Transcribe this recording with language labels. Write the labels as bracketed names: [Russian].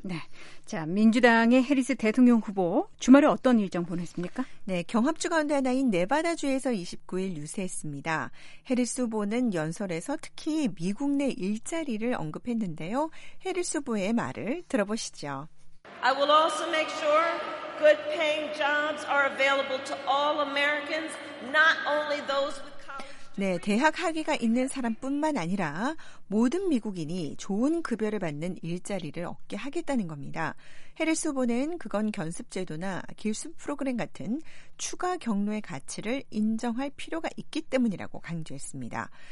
[Korean] 네, 자 민주당의 해리스 대통령 후보 주말에 어떤 일정 보냈습니까? 네, 경합주 가운데 하나인 네바다주에서 29일 유세했습니다. 해리스 후보는 연설에서 특히 미국 내 일자리를 언급했는데요. 해리스 후보의 말을 들어보시죠. [English] I will also make sure good paying jobs are available to all Americans, not only those with [Korean] 네, 대학 학위가 있는 사람뿐만 아니라 모든 미국인이 좋은 급여를 받는 일자리를 얻게 하겠다는 겁니다. 해리스 후보는 그건 견습 제도나 기술 프로그램 같은 추가 경로의 가치를 인정할 필요가 있기 때문이라고 강조했습니다.